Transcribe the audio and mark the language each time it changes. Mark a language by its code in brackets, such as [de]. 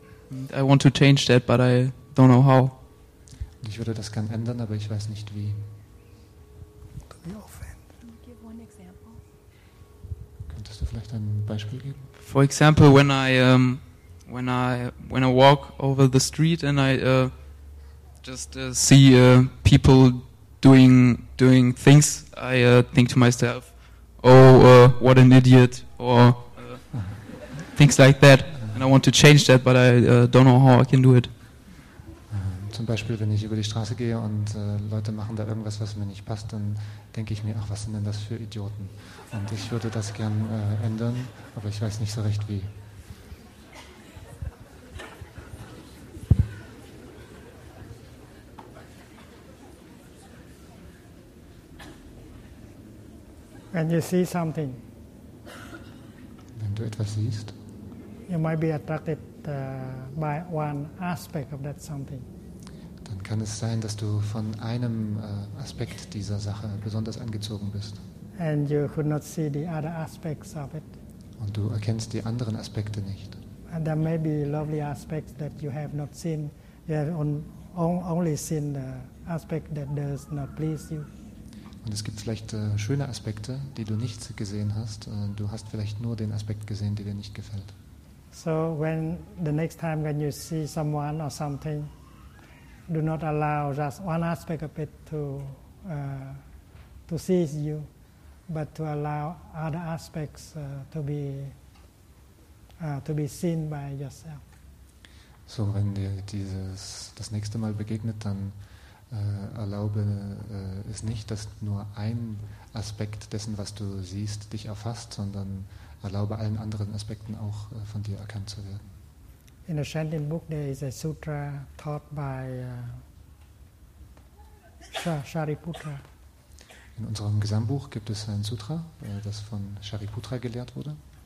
[en] And I want to change that, but I don't know how. [de] Und ich würde das gern ändern, aber ich weiß nicht wie. Könntest du vielleicht ein Beispiel geben? [en] For example, when I walk over the street and I just see people doing things, I think to myself, oh, what an idiot, or things like that. And I want to change that, but I don't know how I can do it. [de] Zum Beispiel, wenn ich über die Straße gehe und Leute machen da irgendwas, was mir nicht passt, dann denke ich mir, ach, was sind denn das für Idioten? Und ich würde das gern ändern, aber ich weiß nicht so recht wie. [en] When you see something, [de] wenn du etwas siehst, [en] you might be attracted by one aspect of that something. [de] Dann kann es sein, dass du von einem Aspekt dieser Sache besonders angezogen bist. [en] And you could not see the other aspects of it. [de] Und du erkennst die anderen Aspekte nicht. [en] And there may be lovely aspects that you have not seen. You have only seen the aspect that does not please you. [de] Und es gibt vielleicht schöne Aspekte, die du nicht gesehen hast. Du hast vielleicht nur den Aspekt gesehen, der dir nicht gefällt. [en] So when the next time when you see someone or something, do not allow just one aspect of it to seize you, but to allow other aspects to be seen by yourself. [de] So wenn dir das nächste Mal begegnet, dann erlaube es nicht, dass nur ein Aspekt dessen, was du siehst, dich erfasst, sondern erlaube allen anderen Aspekten auch von dir erkannt zu werden. [en] In the Shantin book, there is a sutra taught by Shariputra. [de] In unserem Gesamtbuch gibt es ein Sutra, das von Shariputra gelehrt wurde.